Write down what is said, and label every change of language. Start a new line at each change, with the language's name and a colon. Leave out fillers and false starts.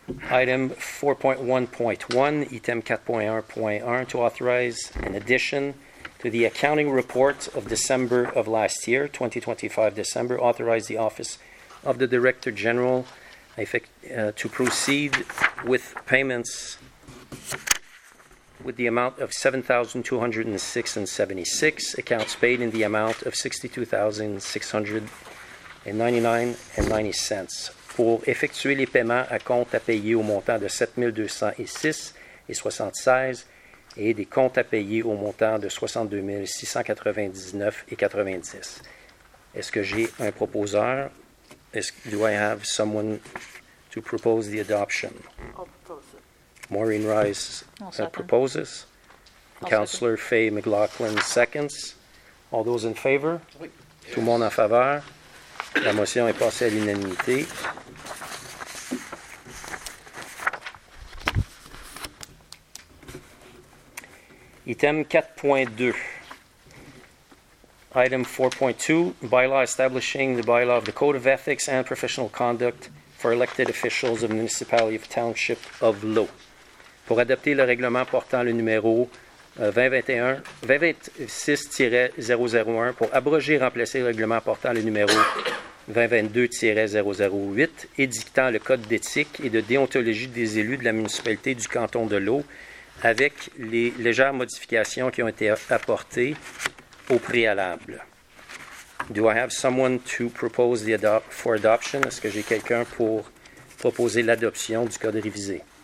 English: Item 4.1.1, item 4.1.1, to authorize an addition to the accounting report of December of last year, 2025 December, authorize the Office of the Director General to proceed with payments with the amount of $7,206.76, accounts paid in the amount of $62,699.90.
French: Pour effectuer les paiements à compte à payer au montant de 7 206,76 et des comptes à payer au montant de 62 699,90. Est-ce que j'ai un proposeur?
English: Do I have someone to propose the adoption? I'll propose it. Maureen Rice proposes. Councillor Faye McLaughlin seconds. All those in favor?
French: Oui. Tout le monde en faveur? La motion est passée à l'unanimité.
English: Item 4.2. Item 4.2, bylaw establishing the bylaw of the Code of Ethics and Professional Conduct for Elected Officials of Municipality of Township of Low.
French: Pour adapter le règlement portant le numéro 2026-001, pour abroger et remplacer le règlement portant le numéro 2022-008, édictant le Code d'éthique et de déontologie des élus de la municipalité du canton de Low, avec les légères modifications qui ont été apportées au préalable.
English: Do I have someone to propose the for adoption?
French: Est-ce que j'ai quelqu'un pour proposer l'adoption du code révisé?